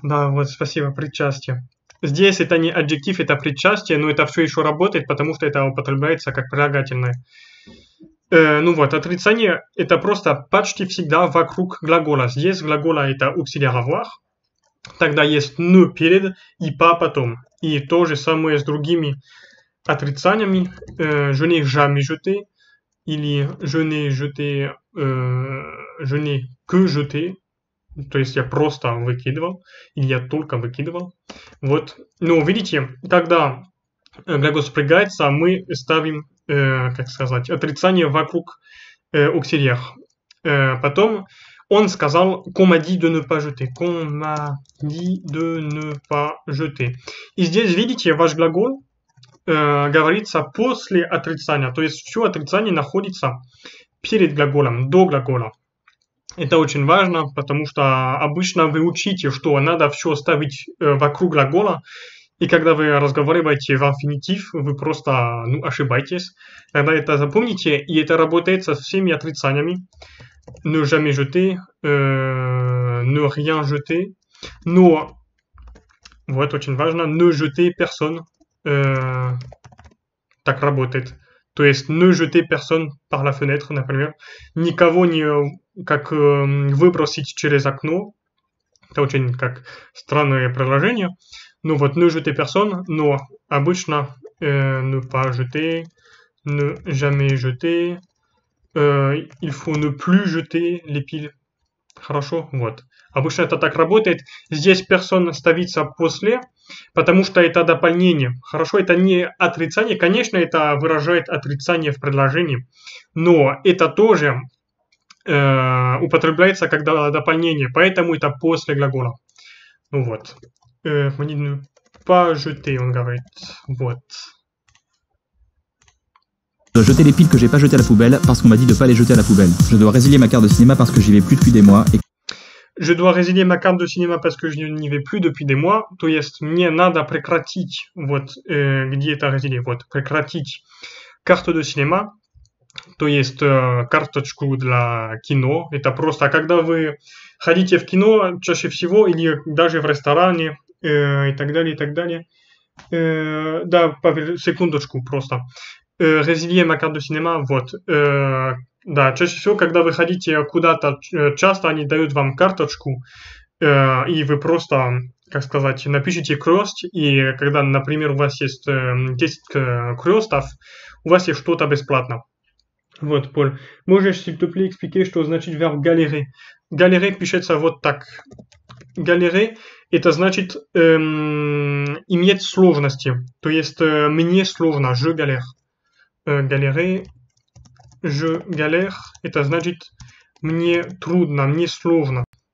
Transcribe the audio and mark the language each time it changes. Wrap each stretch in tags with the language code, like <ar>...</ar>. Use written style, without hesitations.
<ru>Да, вот, спасибо, причастие. Здесь это не адъектив, это причастие, но это все еще работает, потому что это употребляется как прилагательное. Ну вот, отрицание это просто почти всегда вокруг глагола. Здесь глагола это auxiliaire avoir. Тогда есть ne перед и pas потом. И то же самое с другими отрицаниями.</ru> <fr>Je n'ai jamais jeté.</fr> <ru>Или</ru> <fr>je n'ai que jeté.</fr> <ru>То есть я просто выкидывал. Или я только выкидывал. Вот. Но видите, когда глагол спрягается, мы ставим как сказать, отрицание вокруг auxiliaire. Потом он сказал,</ru> <fr>qu'on m'a dit de ne pas jeter. Qu'on m'a dit de ne pas jeter.</fr> <ru>И здесь, видите, ваш глагол говорится после отрицания. То есть все отрицание находится перед глаголом, до глагола. Это очень важно, потому что обычно вы учите, что надо все ставить вокруг глагола. И когда вы разговариваете в инфинитив, вы просто, ну, ошибаетесь. Тогда это запомните, и это работает со всеми отрицаниями.</ru> <fr>Ne jamais jeter, ne rien jeter.</fr> <ru>Но, вот очень важно,</ru> <fr>ne jeter personne.</fr> <ru>Так работает. То есть,</ru> <fr>ne jeter personne par la fenêtre,</fr> <ru>например. Никого не, как, выбросить через окно. Это очень, как, странное приложение. Ну вот,</ru> <fr>ne jeter personne,</fr> <ru>но обычно</ru> <fr>ne pas jeter, ne jamais jeter, il faut ne plus jeter les piles.</fr> <ru>Хорошо, вот. Обычно это так работает. Здесь personne ставится после, потому что это дополнение. Хорошо, это не отрицание. Конечно, это выражает отрицание в предложении, но это тоже употребляется как дополнение, поэтому это после глагола. Ну вот.</ru> <fr>On dit ne pas jeter en garrette. Boîte. Je dois jeter les piles que j'ai pas jetées à la poubelle parce qu'on m'a dit de pas les jeter à la poubelle. Je dois résilier ma carte de cinéma parce que j'y vais plus depuis des mois. Je dois résilier ma carte de cinéma parce que je n'y vais plus depuis des mois.</fr> <ru>To jest mnie nada prekratić. Вот, где это résilier? Вот, prekratić.</ru> <fr>Carte de cinéma.</fr> <ru>То есть карточку для кино. Это просто, когда вы ходите в кино, чаще всего, или даже в ресторане, и так далее, и так далее. Да, секундочку просто.</ru> <fr>Резилье ма карт до синема, вот.</fr> <ru>Да, чаще всего, когда вы ходите куда-то, часто они дают вам карточку, и вы просто, как сказать, напишите крест, и когда, например, у вас есть 10 крестов, у вас есть что-то бесплатно. Вот, Поль, можешь,</ru> <fr>s'il te plaît, expliquer,</fr> <ru>что значит verbe galérer? Galérer пишется вот так. Galérer, это значит иметь сложности. То есть мне сложно,</ru> <fr>je galère.</fr> <ru>Galérer, je galère, это значит мне трудно, мне сложно.</ru>